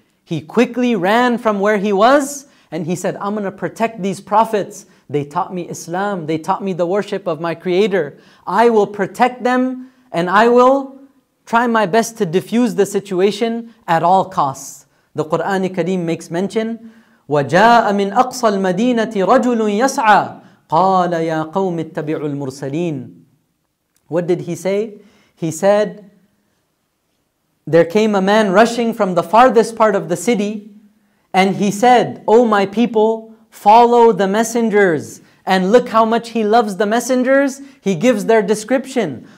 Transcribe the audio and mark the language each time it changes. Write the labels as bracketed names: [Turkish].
[English] He quickly ran from where he was and he said, I'm going to protect these prophets. They taught me Islam. They taught me the worship of my Creator. I will protect them and I will try my best to defuse the situation at all costs. The Quran Kareem makes mention, [Arabic] وَجَاءَ مِنْ أَقْصَى الْمَدِينَةِ رَجُلٌ يَسْعَى قَالَ يَا قَوْمِ اتَّبِعُوا الْمُرْسَلِينَ. [English] What did he say? He said, there came a man rushing from the farthest part of the city and he said, oh my people, follow the messengers. And look how much he loves the messengers. He gives their description.